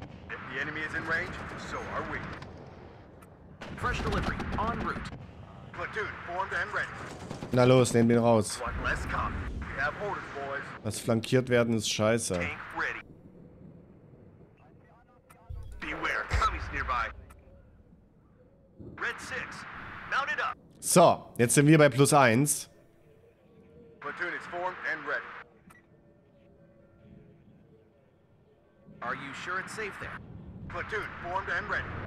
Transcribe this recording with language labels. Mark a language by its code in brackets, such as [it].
[en] The enemy is in range, so are we. Fresh delivery, en route. Platoon, formed and ready. [de] Na los, nehmen wir ihn raus. [en] One less cop. We have orders, boys. [de] Was flankiert werden ist scheiße. [en] Tank ready. Beware, commies nearby. Red 6, mount it up. [de] So, jetzt sind wir bei plus 1. [en] Platoon is formed and ready. Are you sure it's safe there? Platoon, formed and ready.